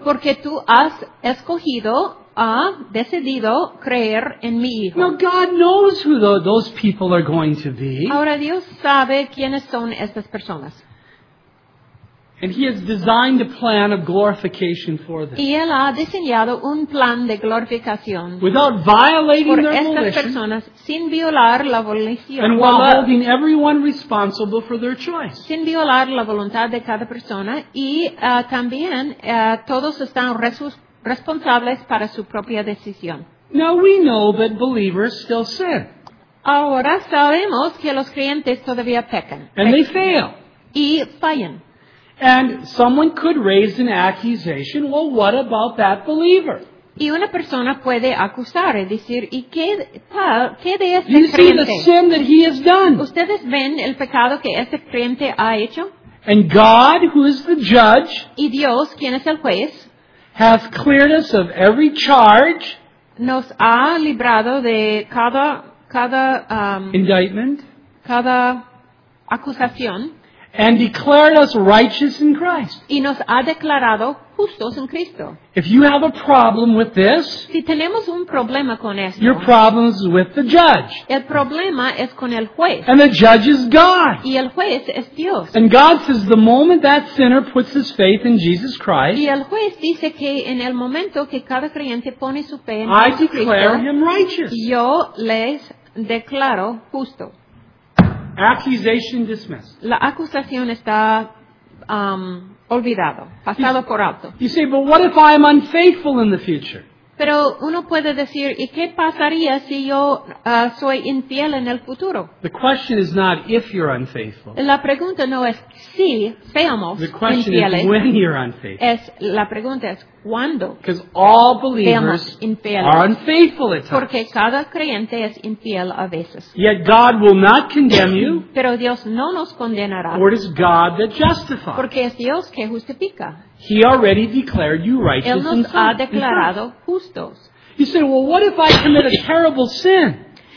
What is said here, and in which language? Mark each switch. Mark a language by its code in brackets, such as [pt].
[es] Porque tú has escogido, ha decidido creer en mi hijo. [en] Now God knows who those people are going to be. [es] Ahora Dios sabe quiénes son estas personas. [en] And he has designed a plan of glorification for them. [es] Y él ha diseñado un plan de glorificación. [en] Without violating their volition. [es] Por estas personas, sin violar la volición. [en] And while holding everyone responsible for their choice. [es] Sin violar la voluntad de cada persona. Y también todos están responsables para su propia decisión. [en] Now we know that believers still sin. [es] Ahora sabemos que los creyentes todavía pecan. [en] And they fail. [es] Y fallan. [en] And someone could raise an accusation, well, what about that believer? [es] Y una persona puede acusar y decir, ¿y qué tal, qué de este [en] you [es] creyente? [en] See the sin that he has done. [es] ¿Ustedes ven el pecado que este creyente ha hecho? [en] And God, who is the judge, [es] y Dios, ¿quién es el juez? [en] Has cleared us of every charge, [es] nos ha librado de cada [en] indictment, [es] cada acusación, [en] and declared us righteous in Christ. [es] Y nos ha declarado justos en Cristo. [en] If you have a problem with this, [es] si tenemos un problema con esto, [en] your problem is with the judge. [es] El problema es con el juez. [en] And the judge is God. [es] Y el juez es Dios. [en] And God says the moment that sinner puts his faith in Jesus Christ, [es] y el juez dice que en el momento que cada creyente pone su fe en [en] Jesucristo, I declare him righteous. [es] Yo les declaro justo. [en] Accusation dismissed. [es] La acusación está olvidado, pasado por alto. [en] You say, but what if I am unfaithful in the future? [es] Pero uno puede decir, ¿y qué pasaría si yo soy infiel en el futuro? [en] The question is not if you're unfaithful. [es] La pregunta no es si seamos [en] the question [es] infieles. [en] Is when you're unfaithful. [es] Es, la pregunta es cuándo. [en] Because all believers are unfaithful at times. [es] Porque cada creyente es infiel a veces. [en] Yet God will not condemn you. [es] Pero Dios no nos condenará. [en] For it is God that justifies. [es] Porque es Dios que justifica. [en] He already declared you righteous [es] Él nos [en] in Christ. [es] Ha declarado justos. [en] You say, well, what if I commit a terrible sin?